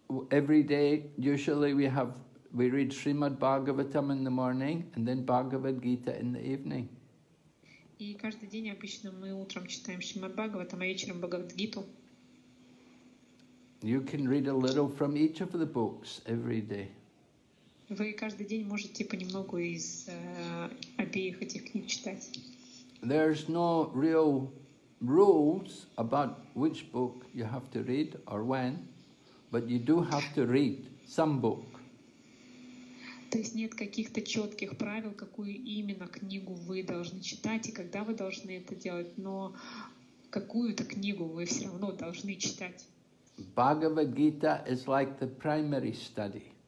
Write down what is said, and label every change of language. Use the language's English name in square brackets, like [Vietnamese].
[English] every day, usually we have, we read Srimad Bhagavatam in the morning and then Bhagavad Gita in the evening. [Russian] И каждый день обычно мы утром читаем Шримад Бхагаватам, а вечером Бхагавад Гиту. [English] You can read a little from each of the books every day. [Russian] Вы каждый день можете понемногу из обеих этих книг читать. [English] There's no real rules about which book you have to read or when, but you do have to read some book. [Russian] То есть нет каких-то четких правил, какую именно книгу вы должны читать и когда вы должны это делать, но какую-то книгу вы все равно должны читать. [English] Bhagavad Gita is like the primary study.